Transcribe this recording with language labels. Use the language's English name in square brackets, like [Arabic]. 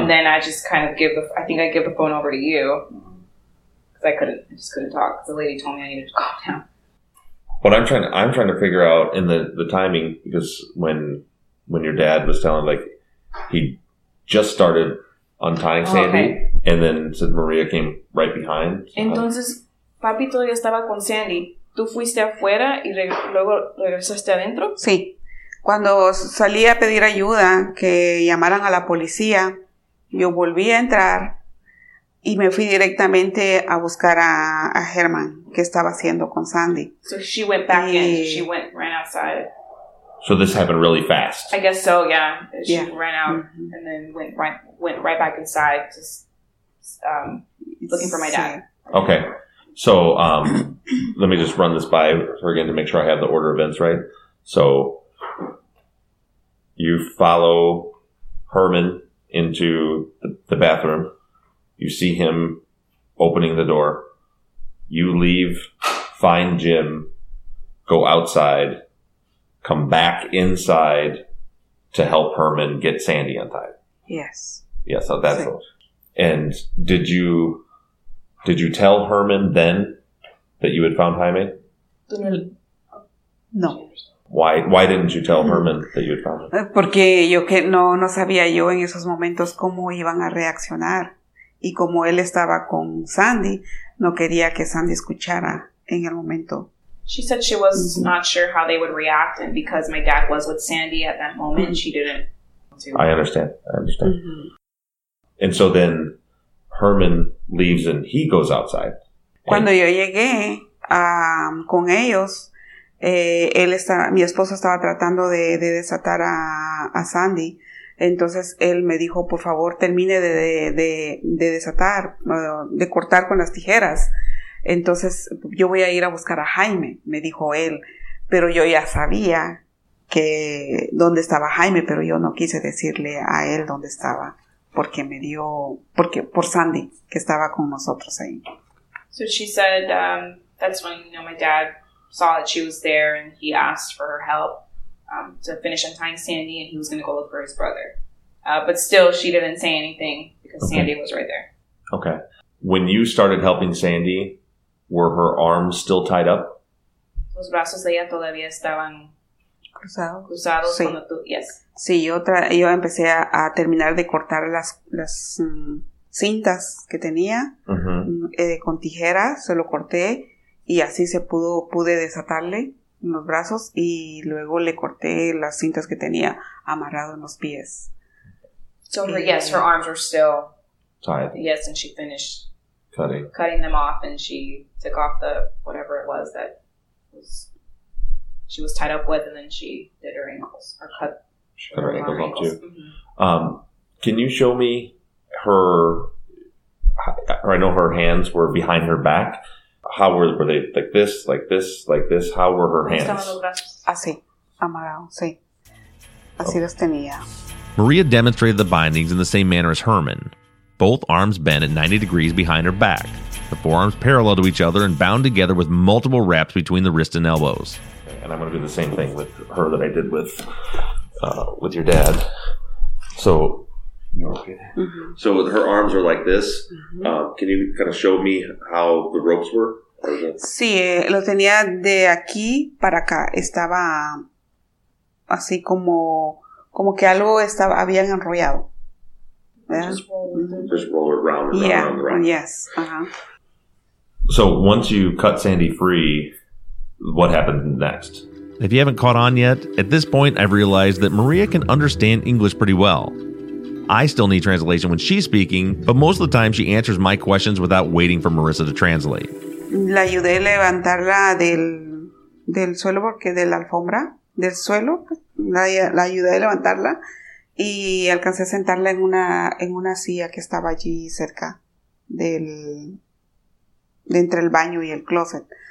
[English] and then I just kind of give the phone over to you. I just couldn't talk. The lady told me I needed to calm down. But I'm trying to figure out in the timing, because when your dad was telling, like, he just started untying Sandy, okay. and then said Maria came right behind. [Spanish] Entonces, papi todavía estaba con Sandy. ¿Tú fuiste afuera y luego regresaste adentro? Sí. Cuando salí a pedir ayuda, que llamaran a la policía, yo volví a entrar. Y me fui directamente a buscar a Herman, que estaba haciendo con Sandy. [English] So she went back in, she went, ran outside. So this happened really fast. I guess so, yeah. She ran out mm-hmm. and then went right back inside, just looking for my dad. Okay. So let me just run this by her again to make sure I have the order of events right. So you follow Herman into the bathroom. You see him opening the door. You leave, find Jim, go outside, come back inside to help Herman get Sandy untied. Yes. Yes, so that's it. And did you tell Herman then that you had found Jaime? No. Why didn't you tell Herman that you had found him? [Spanish] Porque yo que no sabía yo en esos momentos cómo iban a reaccionar. Y como él estaba con Sandy, no quería que Sandy escuchara en el momento. [English] She said she was mm-hmm. not sure how they would react, and because my dad was with Sandy at that moment, she didn't want to. I understand. Mm-hmm. And so then Herman leaves and he goes outside. [Spanish] Cuando yo llegué con ellos, él estaba, mi esposo estaba tratando de desatar a Sandy. Entonces, él me dijo, por favor, termine de desatar, de cortar con las tijeras. Entonces, yo voy a ir a buscar a Jaime, me dijo él. Pero yo ya sabía que dónde estaba Jaime, pero yo no quise decirle a él dónde estaba. Porque me dio, porque por Sandy, que estaba con nosotros ahí. [English] So she said, that's when, you know, my dad saw that she was there and he asked for her help. To finish untying Sandy, and he was going to go look for his brother. But still, she didn't say anything because okay. Sandy was right there. Okay. When you started helping Sandy, were her arms still tied up? [Spanish] Los brazos de ella todavía estaban cruzados. Sí. Cuando tú, [English] yes. [Spanish] Sí, yo empecé a terminar de cortar las cintas que tenía uh-huh. Con tijera, se lo corté, y así pude desatarle. En los brazos y luego le corté las cintas que tenía amarrado en los pies. [English] So yes, her arms were still tied. Yes, and she finished cutting them off, and she took off the whatever it was that was she was tied up with, and then she did her ankles or cut. She cut her ankles off too. Mm-hmm. Can you show me her? I know her hands were behind her back. How were they? Like this, like this, like this? How were her hands? [Spanish] Así, amarrado, sí. Así los tenía. [English] Maria demonstrated the bindings in the same manner as Herman. Both arms bent at 90 degrees behind her back. The forearms parallel to each other and bound together with multiple wraps between the wrist and elbows. And I'm going to do the same thing with her that I did with your dad. So, you're okay. Mm-hmm. So her arms are like this. Mm-hmm. Can you kind of show me how the ropes were? [Spanish] Sí, lo tenía de aquí para acá. Estaba así como que algo estaba habían enrollado. [English] Just roll it round and round and round. Yes. Uh-huh. So once you cut Sandy free, what happened next? If you haven't caught on yet, at this point I've realized that Maria can understand English pretty well. I still need translation when she's speaking, but most of the time she answers my questions without waiting for Marissa to translate. [Spanish] La ayudé a levantarla del suelo porque de la alfombra, del suelo, la ayudé a levantarla y alcancé a sentarla en una silla que estaba allí cerca del de entre el baño y el closet.